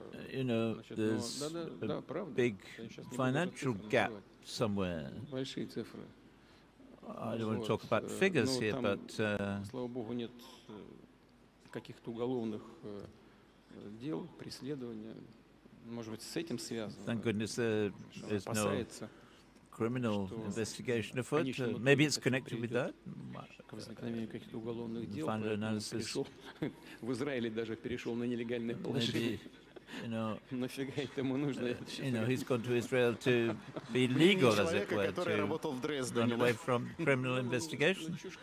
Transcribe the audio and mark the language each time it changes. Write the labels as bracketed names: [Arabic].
[English] You know, there's a big financial gap somewhere. [Russian] Большие цифры. [English] I don't want to talk about figures here, but [Russian] слава богу, нет каких-то уголовных дел, преследования. Может быть, с этим связано. [English] Thank goodness there is no criminal investigation afoot. Maybe it's connected with that. Final analysis. [Russian] В Израиле даже перешел на нелегальное положение. Нафига этому нужно? [English] You know, he's gone to Israel to be legal, as it were, to run away from criminal investigation.